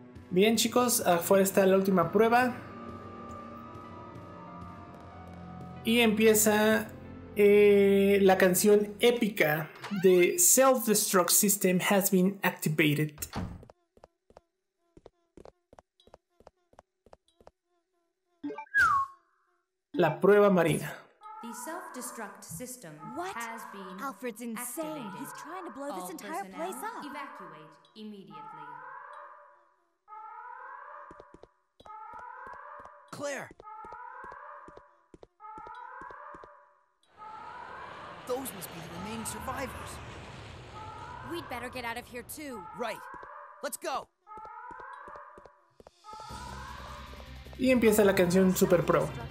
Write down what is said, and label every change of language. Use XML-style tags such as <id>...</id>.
<es>Bien, chicos, afuera está la última prueba. Y empieza la canción épica.</es> <en>The self-destruct system has been activated.</en> <es>La prueba marina.</es> <en>The self-destruct system what? Has been activated. Alfred's insane. Activated. He's trying to blow all this entire place up. Evacuate immediately. Claire! Those must be the remaining survivors. We'd better get out of here too. Right. Let's go!</en> <es>Y empieza la canción Super Pro.</es>